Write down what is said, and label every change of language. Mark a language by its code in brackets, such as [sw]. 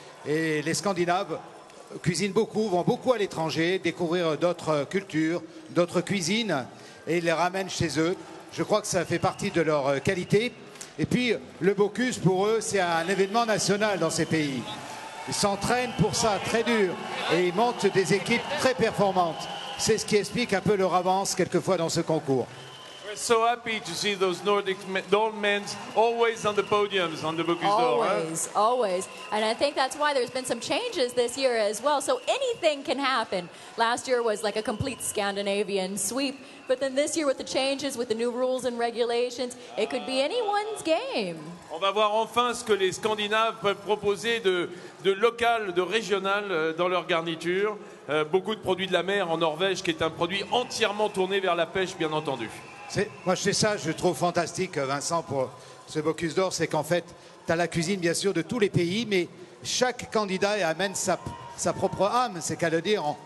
[fr] Et les Scandinaves cuisinent beaucoup, vont beaucoup à l'étranger, découvrir d'autres cultures, d'autres cuisines, et ils les ramènent chez eux. Je crois que ça fait partie de leur qualité. Et puis, le Bocuse, pour eux, c'est un événement national dans ces pays. Ils s'entraînent pour ça très dur, et ils montent des équipes très performantes. C'est ce qui explique un peu leur avance, quelquefois, dans ce concours. [en] We're so happy to see those Nordic men always on the podiums on the Bocuse d'Or. Always, always. And I think that's why there's been some changes this year as well. So anything can happen. Last year was like a complete Scandinavian sweep. But then this year with the changes, with the new rules and regulations, it could be anyone's game. [fr] On va voir enfin ce que les Scandinaves peuvent proposer de local, de régional dans leur garniture. Beaucoup de produits de la mer en Norvège, qui est un produit entièrement tourné vers la pêche, bien entendu. Moi, c'est ça que je trouve fantastique, Vincent, pour ce Bocuse d'Or, c'est qu'en fait, tu as la cuisine, bien sûr, de tous les pays, mais chaque candidat amène sa propre âme, c'est qu'à le dire.